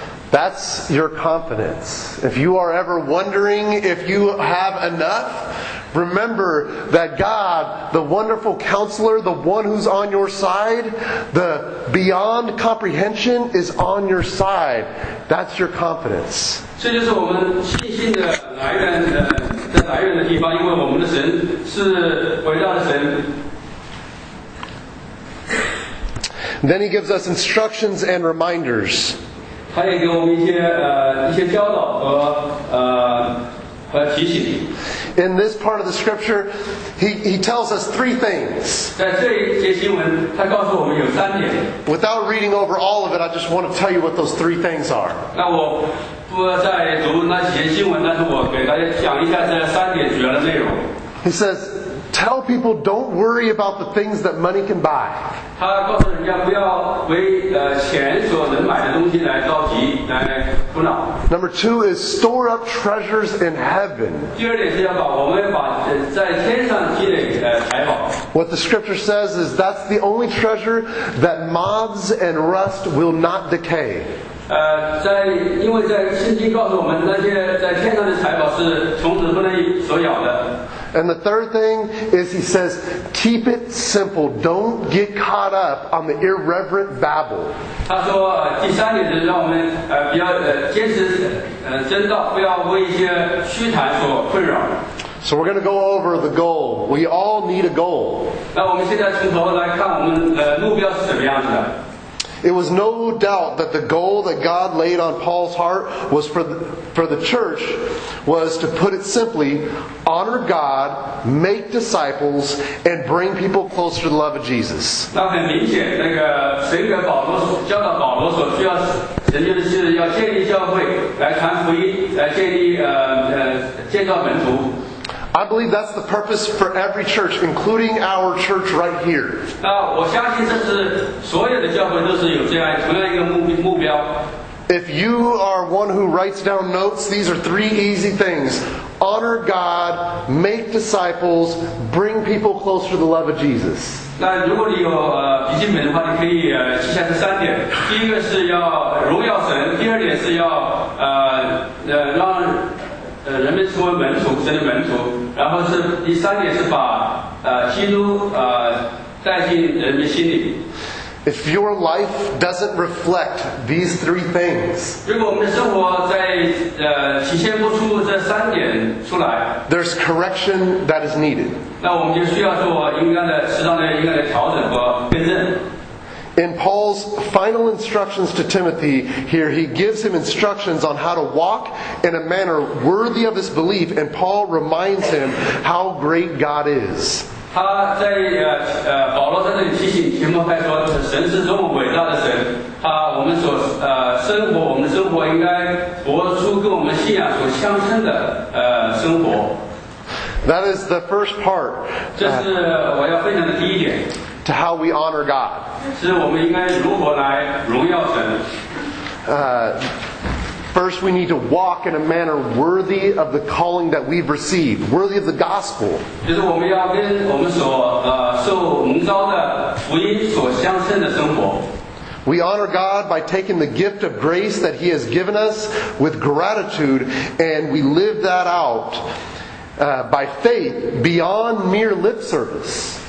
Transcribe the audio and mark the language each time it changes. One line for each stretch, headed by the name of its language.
English: That's your confidence. If you are ever wondering if you have enough, remember that God, the wonderful counselor, the one who's on your side, the beyond comprehension is on your side. That's your confidence.
Chinese: 这就是我们信心的来源的来源的地方，因为我们的神是伟大的神。
English: Then he gives us instructions and reminders.
Chinese: 他也给我们一些教导和提醒。
English: In this part of the scripture, he tells us three things.
Chinese: 在这一节经文，他告诉我们有三点。
English: Without reading over all of it, I just want to tell you what those three things are.
Chinese: 那我不再读那几节经文，但是我给大家讲一下这三点主要的内容。
English: He says. Tell people don't worry about the things that money can buy.
Chinese: 他告诉人家不要为钱所能买的东西来着急，来苦恼。
English: Number two is store up treasures in heaven.
Chinese: 第二点是要把我们把在天上积累财宝。
English: What the scripture says is that's the only treasure that moths and rust will not decay.
Chinese: 在因为在圣经告诉我们那些在天上的财宝是虫子不能所咬的。
English: And the third thing is, he says, keep it simple. Don't get caught up on the irreverent babble.
Chinese: 他说第三点是让我们不要坚持真道，不要为一些虚谈所困扰。
English: So we're going to go over the goal. We all need a goal.
Chinese: 那我们现在从头来看，我们目标是什么样子的？
English: It was no doubt that the goal that God laid on Paul's heart was for the church was to put it simply, honor God, make disciples, and bring people closer to the love of Jesus.
Chinese: 那很明显，那个神给保罗教导保罗所需要成就的是要建立教会，来传福音，来建立建造门徒。
English: I believe that's the purpose for every church, including our church right here.
Chinese: 我相信这是所有的教会都是有这样同样一个目标。
English: If you are one who writes down notes, these are three easy things. Honor God, make disciples, bring people closer to the love of Jesus.
Chinese: 那如果你有笔记本的话，你可以记下这三点。第一个是要荣耀神，第二点是要让人们成为门徒，神的门徒。然后是第三点是把基督带进人们心里。
English: If your life doesn't reflect these three things,
Chinese: 如果我们的生活在体现不出这三点出来
English: ，there's correction that is needed.
Chinese: 那我们就需要做适当的调整和更正。
English: In Paul's final instructions to Timothy here, he gives him instructions on how to walk in a manner worthy of his belief, and Paul reminds him how great God is.
Chinese: 他在保罗在这里提醒提摩太说，神是多么伟大的神。他我们所生活，我们的生活应该活出跟我们信仰所相称的生活。
English: That is the first part.
Chinese: 这是我要分享的第一点。
English: To how we honor God.
Chinese: 是我们应该如何来荣耀神。
English: First, we need to walk in a manner worthy of the calling that we've received, worthy of the gospel.
Chinese: 就是我们要跟我们所受蒙召的福音所相称的生活。
English: We honor God by taking the gift of grace that He has given us with gratitude, and we live that out by faith beyond mere lip service.